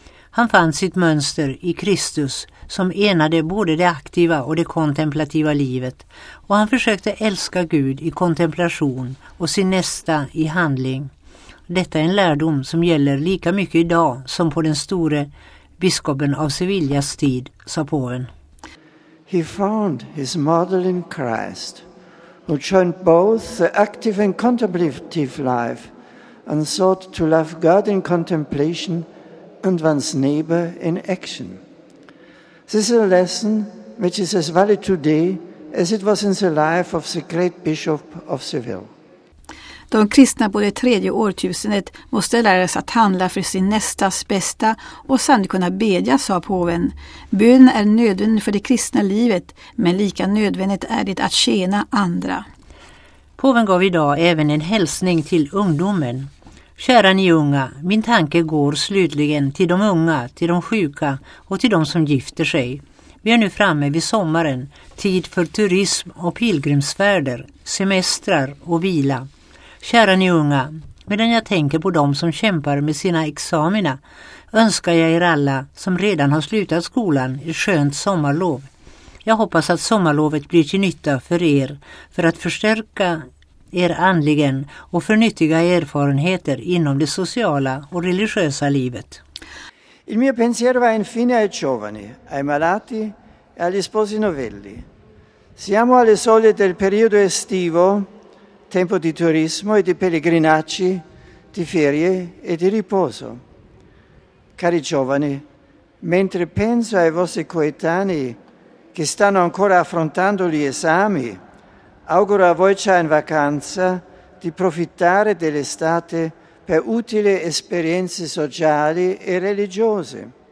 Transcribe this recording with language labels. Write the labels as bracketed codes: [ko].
[sv] Han fann sitt mönster i Kristus som enade både det aktiva och det kontemplativa livet och han försökte älska Gud i kontemplation och sin nästa i handling. Detta är en lärdom som gäller lika mycket idag som på den store biskopen av Sevillas tid, sa påven. [en] He found his model in Christ, who joined both the active and contemplative life and sought to love God in contemplation and one's neighbor in action. This is a lesson which is as valid today as it was in the life of the great bishop of Seville. [sv] De kristna på det tredje årtusendet måste lära sig att handla för sin nästas bästa och sedan kunna bedja, sa påven. Bön är nödvändig för det kristna livet, men lika nödvändigt är det att tjäna andra. Påven gav idag även en hälsning till ungdomen. Kära ni unga, min tanke går slutligen till de unga, till de sjuka och till de som gifter sig. Vi är nu framme vid sommaren, tid för turism och pilgrimsfärder, semestrar och vila. Kära ni unga, medan jag tänker på de som kämpar med sina examina, önskar jag er alla som redan har slutat skolan ett skönt sommarlov. Jag hoppas att sommarlovet blir till nytta för er för att förstärka er andligen och förnyttiga erfarenheter inom det sociala och religiösa livet. [it] Il mio pensiero va infine ai giovani, ai malati e agli sposi novelli. Siamo alle soglie del periodo estivo, tempo di turismo e di pellegrinaggi, di ferie e di riposo. Cari giovani, mentre penso ai vostri coetanei che stanno ancora affrontando gli esami, auguro a voi già in vacanza di profittare dell'estate per utili esperienze sociali e religiose.